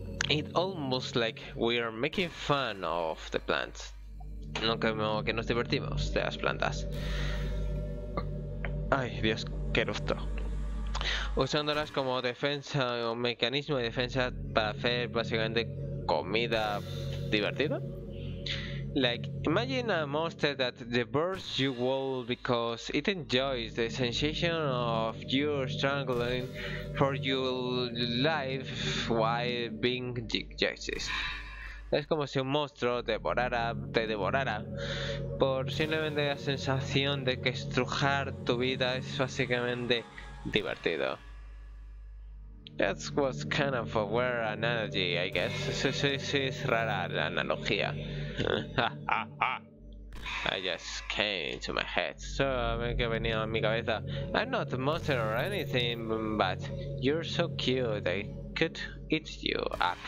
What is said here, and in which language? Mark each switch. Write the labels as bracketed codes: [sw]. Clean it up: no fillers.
[en] It almost like we are making fun of the plants. [es] No, como que nos divertimos de las plantas. Ay, Dios, qué rostro. Usándolas como defensa o mecanismo de defensa para hacer básicamente comida divertida. [en] Like, imagine a monster that devours you whole because it enjoys the sensation of you struggling for your life while being digested. [es] Es como si un monstruo te devorara por simplemente la sensación de que estrujar tu vida es básicamente divertido. [en] That was kind of a weird analogy, I guess. [es] Sí, es rara la analogía. [en] I just came to my head. So, [es] que venía a mi cabeza. [en] I'm not a monster or anything, but you're so cute, I could eat you up.